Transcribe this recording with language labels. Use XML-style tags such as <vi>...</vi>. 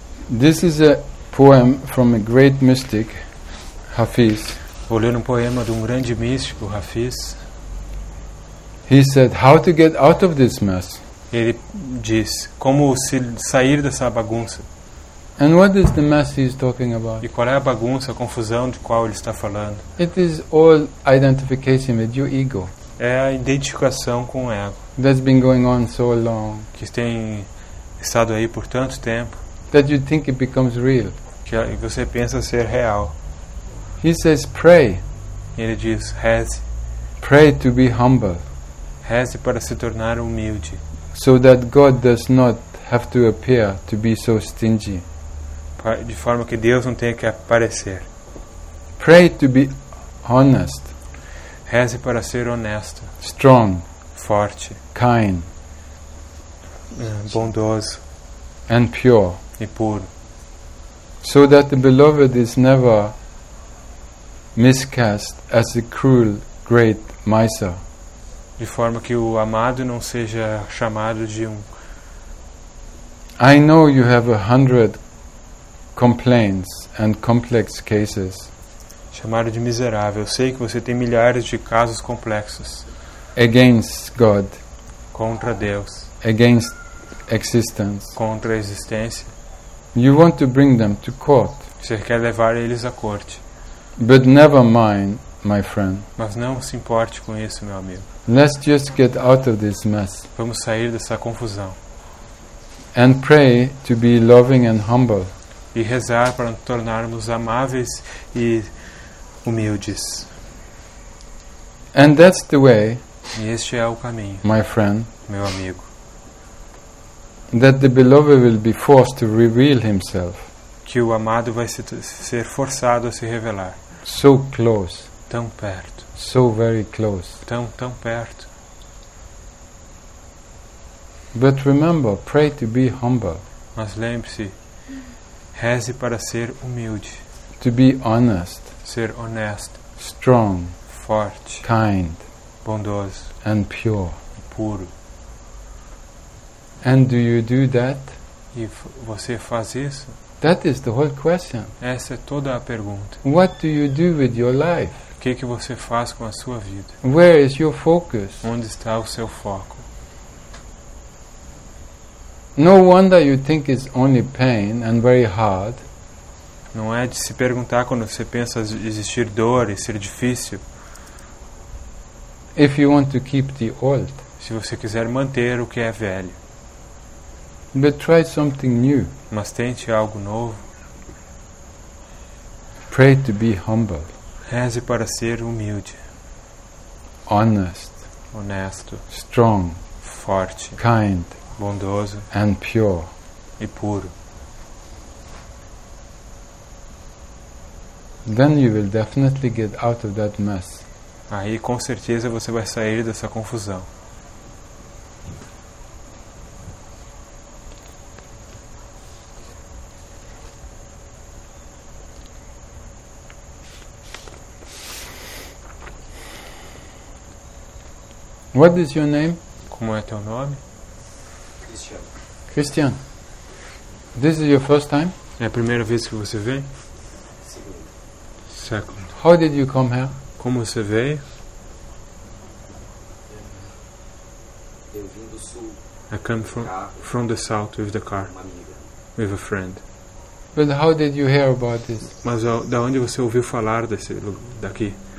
<en>This is a poem from a great mystic, Hafiz.</en> <pt>Vou ler um poema de um grande místico, Hafiz.</pt> <en>He said, "How to get out of this mess?"</en> <pt>Ele diz, como se sair dessa bagunça.</pt> <en>And what is the mess he is talking about?</en> <pt>E qual é a bagunça, a confusão de qual ele está falando?</pt> <en>It is all identification with your ego.</en> <pt>É a identificação com o ego.</pt> <en>That's been going on so long.</en> <pt>Que tem estado aí por tanto tempo.</pt> <en>That you think it becomes real.</en> <pt>Que você pensa ser real.</pt> <en>He says, pray.</en> <pt>Ele diz, reze.</pt> <en>Pray to be humble.</en> <pt>Reze para se tornar humilde.</pt> <en>So that God does not have to appear to be so stingy.</en> <pt>De forma que Deus não tenha que aparecer.</pt> <en>Pray to be honest.</en> <pt>Reze para ser honesto.</pt> <en>Strong.</en> <pt>Forte.</pt> <en>Kind.</en> <pt>Bondoso.</pt> <en>And pure.</en> <pt>E puro.</pt> <en>So that the beloved is never miscast as a cruel great miser.</en> <pt>De forma que o amado não seja chamado de um.</pt> <en>I know you have 100 complaints and complex cases.</en> <pt>Chamado de miserável. Eu sei que você tem milhares de casos complexos.</pt> <en>Against God.</en> <pt>Contra Deus.</pt> <en>Against existence.</en> <pt>Contra a existência.</pt> <en>You want to bring them to court.</en> <pt>Você quer levar eles à corte.</pt> <en>But never mind, my friend.</en> <pt>Mas não se importe com isso, meu amigo.</pt> <en>Let's just get out of this mess.</en> <pt>Vamos sair dessa confusão.</pt> <en>And pray to be loving and humble.</en> <pt>E rezar para nos tornarmos amáveis e humildes.</pt> <en>And that's the way.</en> <pt>E este é o caminho.</pt> <en>My friend.</en> <pt>Meu amigo.</pt> <en>That the beloved will be forced to reveal himself.</en> <pt>Que o amado vai ser forçado a se revelar.</pt> <en>So close.</en> <pt>Tão perto.</pt> <en>So very close.</en> <pt>Tão perto.</pt> <en>But remember, pray to be humble.</en> <pt>Mas lembre-se, reze para ser humilde.</pt> <en>To be honest.</en> <pt>Ser honesto.</pt> <en>Strong.</en> <pt>Forte.</pt> <en>Kind.</en> <pt>Bondoso.</pt> <en>And pure.</en> <pt>E puro.</pt> <en>And do you do that?</en> <pt>E você faz isso?</pt> <en>That is the whole question.</en> <pt>Essa é toda a pergunta.</pt> <en>What do you do with your life?</en> <pt>O que você faz com a sua vida?</pt> <en>Where is your focus?</en> <pt>Onde está o seu foco?</pt> <en>No wonder you think it's only pain and very hard.</en> <pt>Não é de se perguntar quando você pensa existir dor e ser difícil.</pt> <en>If you want to keep the old.</en> <pt>Se você quiser manter o que é velho.</pt> <en>But try something new.</en> <pt>Mas tente algo novo.</pt> <en>Pray to be humble.</en> <pt>Reze para ser humilde.</pt> <en>Honest.</en> <pt>Honesto.</pt> <en>Strong.</en> <pt>Forte.</pt> <en>Kind.</en> <pt>Bondoso.</pt> <en>And pure.</en> <pt>E puro.</pt> <en>Then you will definitely get out of that mess.</en> <pt>Aí com certeza você vai sair dessa confusão.</pt> <en>What is your name?</en> <pt>Como é teu nome?</pt> <en>Christian. This is your first time?</en> <pt>É a primeira vez que você vem?</pt> <en>Second. How did you come here?</en> <pt>Como você veio?</pt> <en>I come from the south with the car, with a friend. But how did you hear about this?</en> <pt>Mas da onde você ouviu falar desse daqui?</pt>